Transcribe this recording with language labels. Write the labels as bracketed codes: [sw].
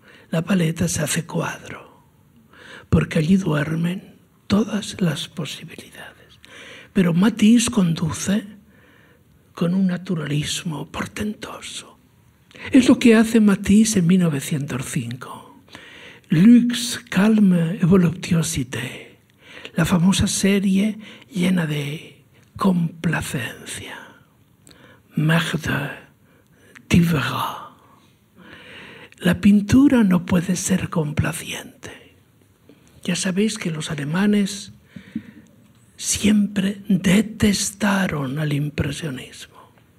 [es] La paleta se hace cuadro, porque allí duermen todas las posibilidades. Pero Matisse conduce con un naturalismo portentoso. Es lo que hace Matisse en 1905. [fr] Luxe, calme et voluptuosité. [es] La famosa serie llena de complacencia. [fr] Merde, tu verras. [es] La pintura no puede ser complaciente. Ya sabéis que los alemanes siempre detestaron al impresionismo.